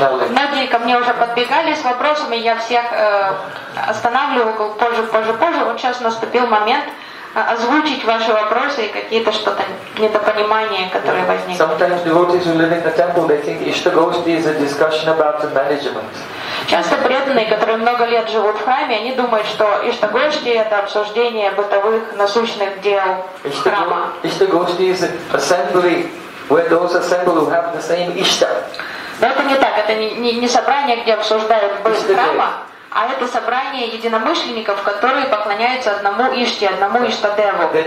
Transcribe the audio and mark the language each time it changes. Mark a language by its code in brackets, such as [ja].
[ru] Многие ко мне уже подбегали с вопросами, я всех останавливаю позже. Вот сейчас наступил момент озвучить ваши вопросы и какие-то что-то недопонимания, которые возникли. [en] Sometimes devotees who live in the temple, they think Ishta Goshti is a discussion about the management. [ru] Часто преданные, которые много лет живут в храме, они думают, что Ishta Goshti это обсуждение бытовых насущных дел храма. [en] Ishta Goshti is assembly where those assembled have the same Ishta. [ru] Но это не так, это не собрание, где обсуждают быт храма. А это собрание единомышленников, которые поклоняются одному Иште, одному Иштадеву.